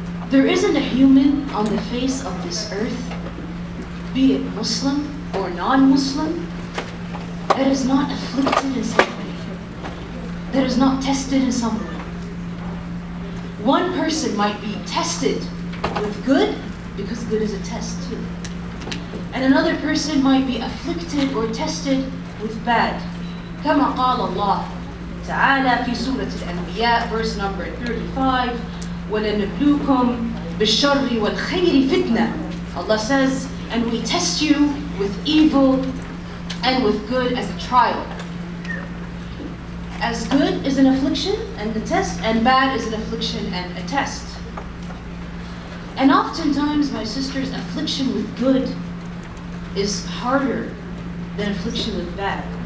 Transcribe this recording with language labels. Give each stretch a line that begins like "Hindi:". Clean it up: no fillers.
English: There isn't a human on the face of this earth, be it Muslim or non-Muslim, that is not afflicted in some way, that is not tested in some way. One person might be tested with good, because good is a test too. And another person might be afflicted or tested with bad.
Arabic: كما قال الله تعالى في سورة الأنبياء,
English: verse number 35,
Arabic: وَلَنَبْلُوكُمْ بِالشَّرِّ وَالْخَيْرِ فِتْنَةً.
English: Allah says, and we test you with evil and with good as a trial. As good is an affliction and a test, and bad is an affliction and a test. And oftentimes, my sister's affliction with good is harder than affliction with bad.